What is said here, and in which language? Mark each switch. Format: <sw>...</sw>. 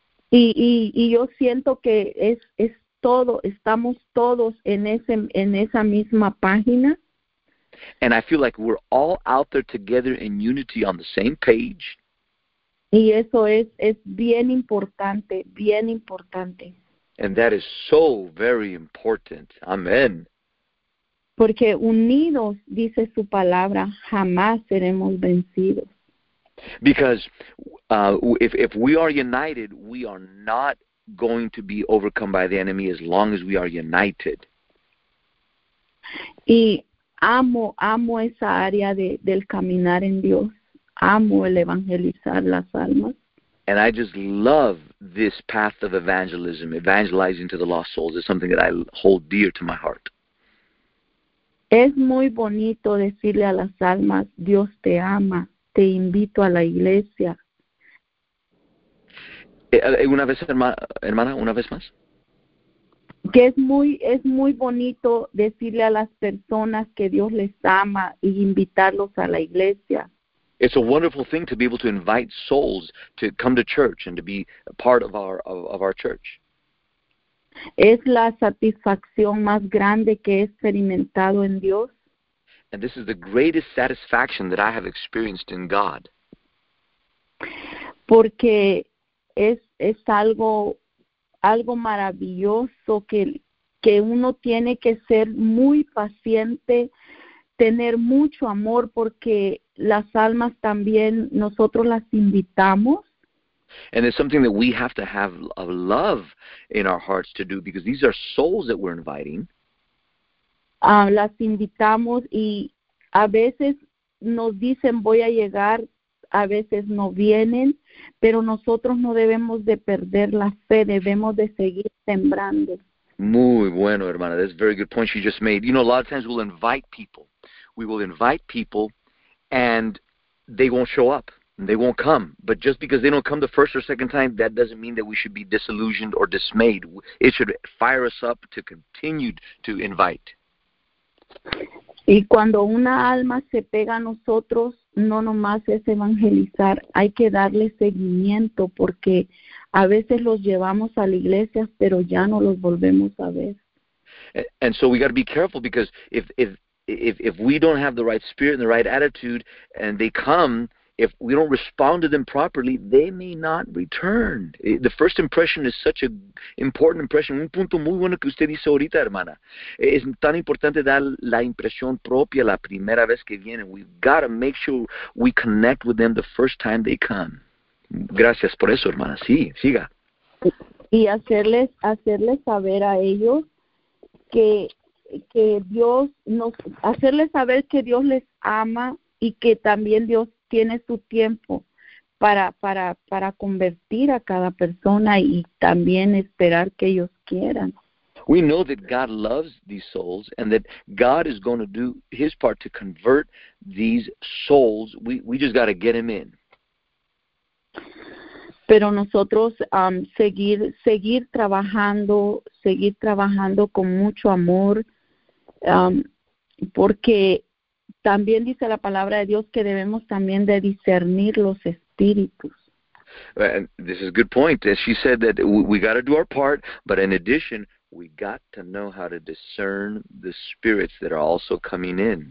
<es>Y yo siento que es todo, estamos todos en esa misma página.</es> <en>And I feel like we're all out there together in unity on the same page.</en> <es>Y eso es bien importante, bien importante.</es> <en>And that is so very important. Amen.</en> <es>Porque unidos, dice su palabra, jamás seremos vencidos.</es> <en>Because if we are united, we are not going to be overcome by the enemy as long as we are united.</en> <es>Y amo esa área del caminar en Dios. Amo el evangelizar las almas.</es> <en>And I just love this path of evangelism. Evangelizing to the lost souls is something that I hold dear to my heart.</en> <es>Es muy bonito decirle a las almas, Dios te ama, te invito a la iglesia. Una vez, hermana, una vez más. Que es muy bonito decirle a las personas que Dios les ama y invitarlos a la iglesia.</es> <en>It's a wonderful thing to be able to invite souls to come to church and to be a part of our church.</en> <es>Es la satisfacción más grande que he experimentado en Dios.</es> <en>And this is the greatest satisfaction that I have experienced in God.</en> <es>Porque es algo maravilloso que uno tiene que ser muy paciente tener mucho amor, porque las almas también nosotros las invitamos.</es> <en>And it's something that we have to have a love in our hearts to do, because these are souls that we're inviting.</en> <es>Las invitamos y a veces nos dicen voy a llegar, a veces no vienen, pero nosotros no debemos de perder la fe, debemos de seguir sembrando. Muy bueno, hermana.</es> <en>That's a very good point you just made. You know, a lot of times we'll invite people. We will invite people and they won't show up. They won't come. But just because they don't come the first or second time, that doesn't mean that we should be disillusioned or dismayed. It should fire us up to continue to invite.</en> <es>Y cuando una alma se pega a nosotros, no nomás es evangelizar, hay que darle seguimiento, porque a veces los llevamos a la iglesia, pero ya no los volvemos a ver.</es> <en>And so we got to be careful, because if we don't have the right spirit and the right attitude, and they come, if we don't respond to them properly, they may not return. The first impression is such an important impression.</en> <es>Un punto muy bueno que usted dice ahorita, hermana. Es tan importante dar la impresión propia la primera vez que vienen.</es> <en>We've got to make sure we connect with them the first time they come.</en> <es>Gracias por eso, hermana. Sí, siga. Y hacerles saber a ellos que Dios nos... Hacerles saber que Dios les ama y que también Dios tiene su tiempo para convertir a cada persona y también esperar que ellos quieran.</es> <en>We know that God loves these souls and that God is going to do his part to convert these souls. We just got to get him in.</en> <es>Pero nosotros seguir trabajando con mucho amor, porque también dice la palabra de Dios que debemos también de discernir los espíritus.</es> <en>And this is a good point. She said that we got to do our part, but in addition, we got to know how to discern the spirits that are also coming in.</en>